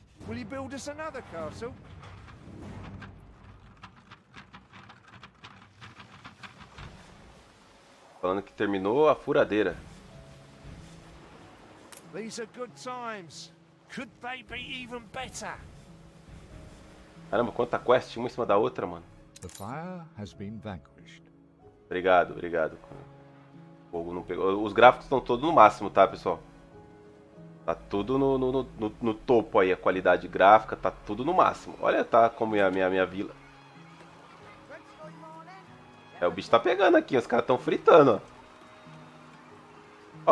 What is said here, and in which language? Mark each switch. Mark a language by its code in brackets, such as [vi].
[en] Will you build us another castle? [pt] Falando que terminou a furadeira. [en] These are good times. Could they be even better? [pt] Caramba, quanta quest uma em cima da outra, mano. [en] The fire has been vanquished. [pt] Obrigado, obrigado. O fogo não pegou. Os gráficos estão todos no máximo, tá, pessoal? Tá tudo no topo aí, a qualidade gráfica, tá tudo no máximo. Olha, tá como é a minha vila. É, o bicho tá pegando aqui, os caras estão fritando, ó.